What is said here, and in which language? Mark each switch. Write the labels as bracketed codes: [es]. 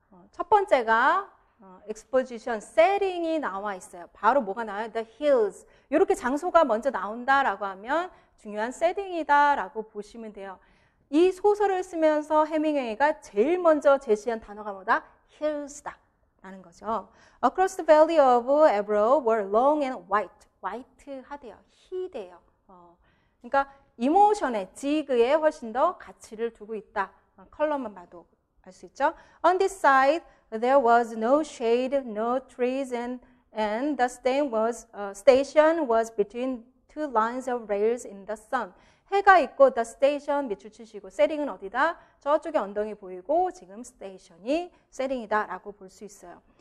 [ko] 첫 번째가 exposition, setting이 나와 있어요. 바로 뭐가 나와요? The hills. 이렇게 장소가 먼저 나온다라고 하면 중요한 setting이다라고 보시면 돼요. 이 소설을 쓰면서 헤밍웨이가 제일 먼저 제시한 단어가 뭐다? Hills다라는 거죠. [en] Across the valley of Ebro were long and white [ko] 하대요. He대요. 그러니까 이모션의 지그에 훨씬 더 가치를 두고 있다. 컬러만 봐도 알수 있죠. [en] On this side there was no shade, no trees, and the station was between two lines of rails in the sun. [ko] 해가 있고 the station 밑줄 치시고 setting은 어디다? 저쪽에 언덕이 보이고 지금 station이 setting이다 라고 볼 수 있어요.